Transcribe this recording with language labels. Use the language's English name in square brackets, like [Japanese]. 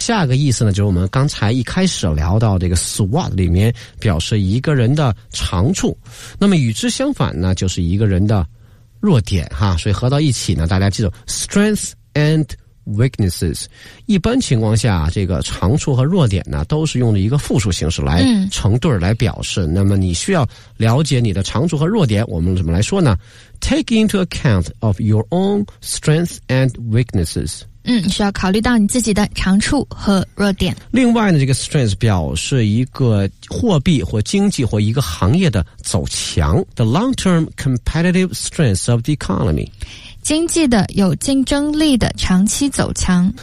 [Chinese] 下一个意思呢，就是我们刚才一开始聊到这个 SWOT 里面表示一个人的长处，那么与之相反呢就是一个人的弱点哈。所以合到一起呢，大家记住 [English] strength and weaknesses。 [Chinese] 一般情况下这个长处和弱点呢都是用的一个复数形式来成对来表示，那么你需要了解你的长处和弱点，我们怎么来说呢？ [English] Take into account of your own strength and weaknesses。 [Chinese] 嗯，需要考虑到你自己的长处和弱点。另外呢，这个 strength 表示一个货币或经济或一个行业的走强， [English] the long term competitive strength of the economy， [Chinese] 经济的有竞争力的长期走强。